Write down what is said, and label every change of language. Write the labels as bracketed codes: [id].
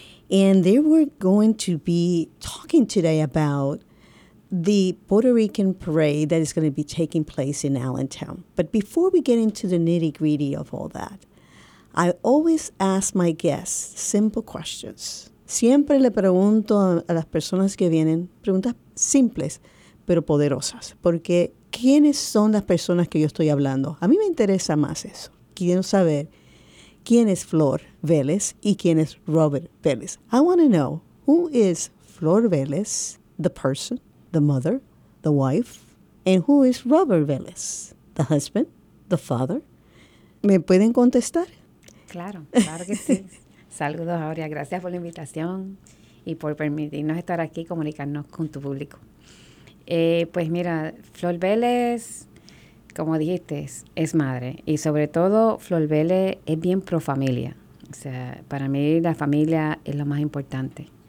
[en] And they were going to be talking today about the Puerto Rican parade that is going to be taking place in Allentown. But before we get into the nitty-gritty of all that, I always ask my guests simple questions. [es] Siempre le pregunto a las personas que vienen preguntas simples, pero poderosas. Porque, ¿quiénes son las personas que yo estoy hablando? A mí me interesa más eso. Quiero saber quién es Flor Velez y quién es Robert Velez. [en] I want to know, who is Flor Velez, the person, the mother, the wife, and who is Robert Velez, the husband, the father? [es] ¿Me pueden contestar? Claro, claro que sí. Saludos, Aurea. Gracias por la invitación y por permitirnos estar aquí y comunicarnos con tu público. Pues mira, Flor Velez, como dijiste, es madre. Y sobre todo, Flor Velez es bien pro familia. O sea, para mí la familia es lo más importante.